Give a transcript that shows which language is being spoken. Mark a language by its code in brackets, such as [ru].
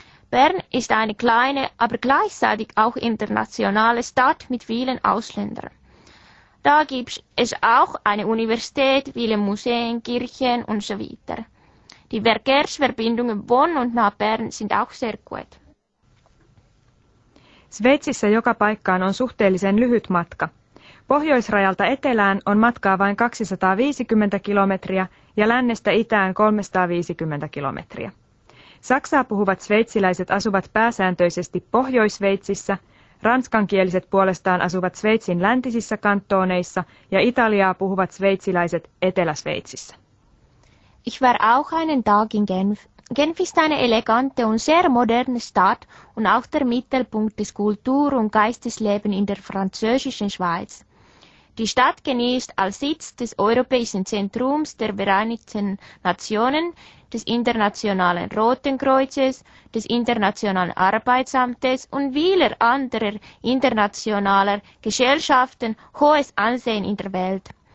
[de] Bern ist eine kleine, aber gleichzeitig auch internationale Stadt mit vielen Ausländern. Da gibt es auch eine Universität, viele Museen, Kirchen und so weiter. Die Verkehrsverbindungen von und nach Bern sind auch sehr gut. [fi] Sveitsissä joka paikkaan on suhteellisen lyhyt matka. Pohjoisrajalta etelään on matkaa vain 250 kilometriä ja lännestä itään 350 kilometriä. Saksaa puhuvat sveitsiläiset asuvat pääsääntöisesti Pohjois-Sveitsissä, ranskankieliset puolestaan asuvat Sveitsin läntisissä kantooneissa ja italiaa puhuvat sveitsiläiset Etelä-Sveitsissä. [de] Ich war auch einen Tag in Genf. Genf ist eine elegante und sehr moderne Stadt und auch der Mittelpunkt des Kultur- und Geisteslebens in der französischen Schweiz. Die Stadt genießt als Sitz des Europäischen Zentrums der Vereinigten Nationen, des Internationalen Roten Kreuzes, des Internationalen Arbeitsamtes und vieler anderer internationaler Gesellschaften hohes Ansehen in der Welt.